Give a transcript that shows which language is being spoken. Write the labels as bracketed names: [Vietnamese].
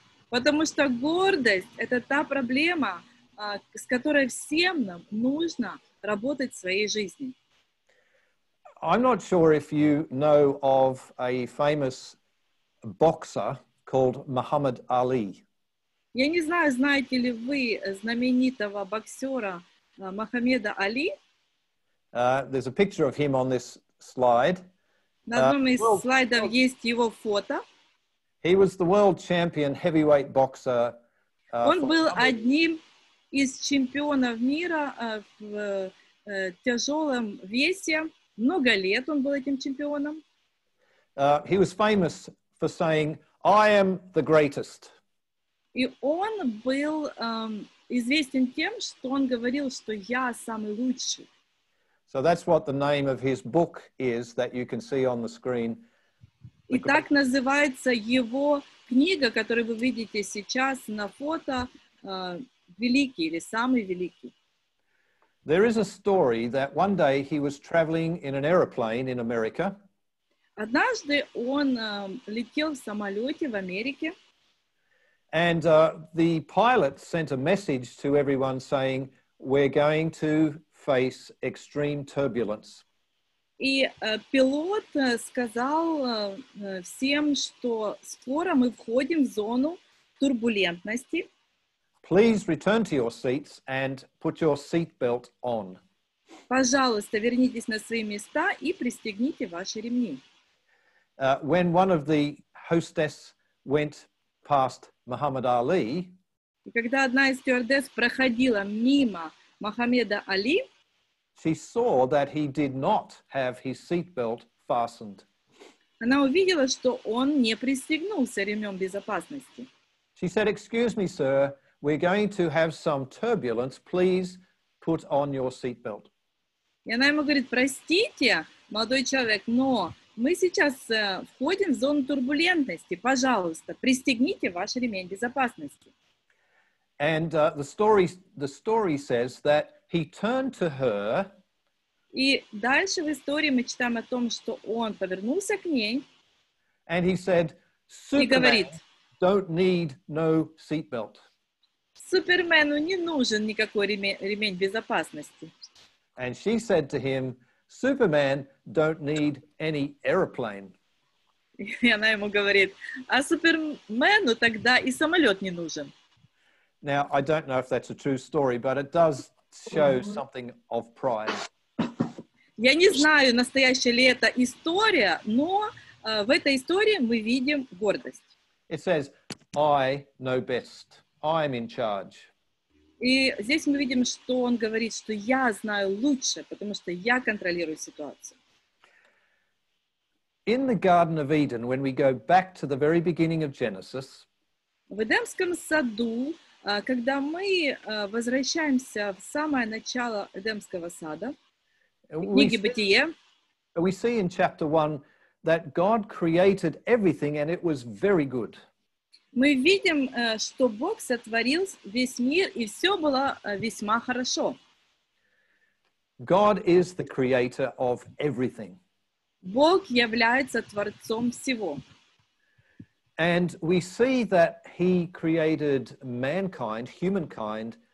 [Russian] Потому что гордость — это та проблема, с которой всем нам нужно работать в своей жизни. [English] I'm not sure if you know of a famous boxer called Muhammad Ali. [Russian] Я не знаю, знаете ли вы знаменитого боксера Мухаммеда Али? [English] There's a picture of him on this slide. [Russian] На одном из слайдов есть его фото. [English] He was the world champion heavyweight boxer. [Russian] Он был одним из чемпионов мира в тяжелом весе. Много лет он был этим чемпионом. [English] He was famous for saying, "I am the greatest." [Russian] И он был известен тем, что он говорил, что я самый лучший. [English] So that's what the name of his book is that you can see on the screen. [Russian] И так называется его книга, которую вы видите сейчас на фото, «Великий» или «Самый великий». [English] There is a story that one day he was traveling in an aeroplane in America. [Russian] Однажды он летел в самолете в Америке. [English] And the pilot sent a message to everyone saying, "We're going to face extreme turbulence." [Russian] И пилот сказал всем, что скоро мы входим в зону турбулентности. [English] Please return to your seats and put your seatbelt on. [Russian] Пожалуйста, вернитесь на свои места и пристегните ваши ремни. [English] When one of the hostess went past Muhammad Ali, [Russian] когда одна из стюардесс проходила мимо Мухаммеда Али, [English] she saw that he did not have his seatbelt fastened. [Russian] Она увидела, что он не пристегнулся ремнем безопасности. [English] She said, "Excuse me, sir, we're going to have some turbulence. Please put on your seatbelt." [Russian] И она ему говорит: "Простите, молодой человек, но мы сейчас входим в зону турбулентности. Пожалуйста, пристегните ваш ремень безопасности." [English] And the story says that he turned to her. [Russian] И дальше в истории мы читаем о том, что он повернулся к ней. [English] And he said, "Superman, [Russian] говорит, [English] don't need no seatbelt." [Russian] Супермену не нужен никакой ремень безопасности. [English] And she said to him, "Superman, don't need any airplane." [Russian] И она ему говорит: "А супермену тогда и самолет не нужен." [English] Now I don't know if that's a true story, but it does show something of pride. [Russian] Я не знаю, настоящая ли это история, но в этой истории мы видим гордость. [English] It says, "I know best. I'm in charge." [Russian] И здесь мы видим, что он говорит, что я знаю лучше, потому что я контролирую ситуацию. [English] In the Garden of Eden, when we go back to the very beginning of Genesis, [Russian] в Эдемском саду, когда мы возвращаемся в самое начало Эдемского сада, книги Бытие, [English] we see in chapter 1 that God created everything and it was very good. [Russian] Мы видим, что Бог сотворил весь мир, и все было весьма хорошо. [English] God is the creator of everything. [Russian] Бог является творцом всего. [English] And we see that he created mankind, humankind,